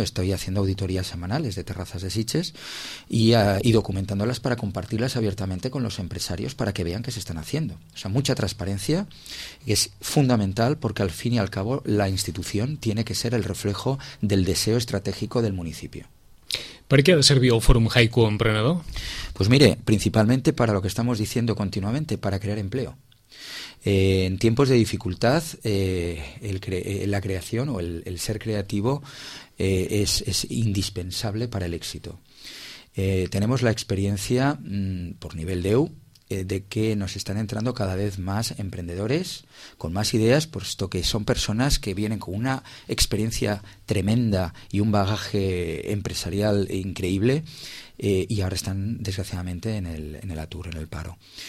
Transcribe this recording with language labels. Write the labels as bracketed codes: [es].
[es] Estoy haciendo auditorías semanales de terrazas de Sitges y documentándolas para compartirlas abiertamente con los empresarios para que vean que se están haciendo. O sea, mucha transparencia es fundamental, porque al fin y al cabo la institución tiene que ser el reflejo del deseo estratégico del municipio. [ca] ¿Per què ha de servir el Fòrum Haiku Emprenedor? [es] Pues mire, principalmente para lo que estamos diciendo continuamente, para crear empleo. En tiempos de dificultad, la creación o el ser creativo es indispensable para el éxito. Tenemos la experiencia, por nivel de EU, de que nos están entrando cada vez más emprendedores con más ideas, puesto que son personas que vienen con una experiencia tremenda y un bagaje empresarial increíble, y ahora están desgraciadamente en el atur, en el paro.